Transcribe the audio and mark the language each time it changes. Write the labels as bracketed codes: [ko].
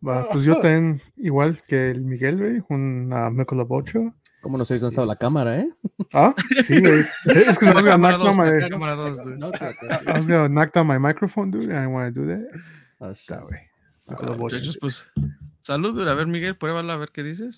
[es] Pues yo también, igual que el Miguel, güey, un Michelob Ultra. ¿Cómo no se habéis lanzado la cámara, eh? Ah, sí, güey. Es que se me ha ganado la cámara 2, dude. [en] I was going to knock down my microphone, dude, and I want to do that. [es] Ah, está, güey. Michelob Ultra. Yo pues, salud, dude. A ver, Miguel, pruébala, a ver qué dices.